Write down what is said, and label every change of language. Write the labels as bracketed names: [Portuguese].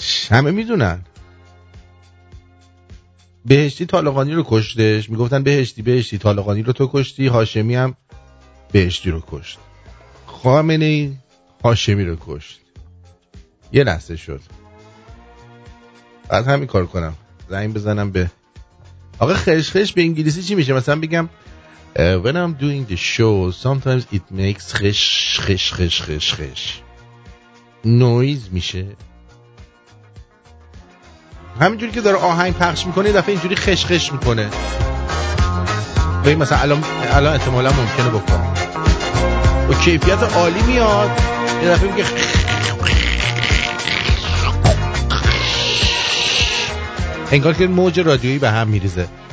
[Persian] همه میدونن بهشتی طالقانی رو کشتش، میگفتن بهشتی طالقانی رو تو کشتی، هاشمی هم بهشتی رو کشت، خامنه ای هاشمی رو کشت. یه لحظه شد بعد همین کار کنم، زنگ بزنم به آقا خشخش. به انگلیسی چی میشه؟ مثلا بگم [English] when I'm doing the show sometimes it makes [Persian] خش [English] noise [Persian] میشه. همینجوری که داره آهنگ پخش میکنه دفعه اینجوری خشخش میکنه. بگیم مثلا الان احتمالا ممکنه بکنه و کیفیت عالی میاد، یه دفعه میگه انگار که موج رادیویی به هم میریزه.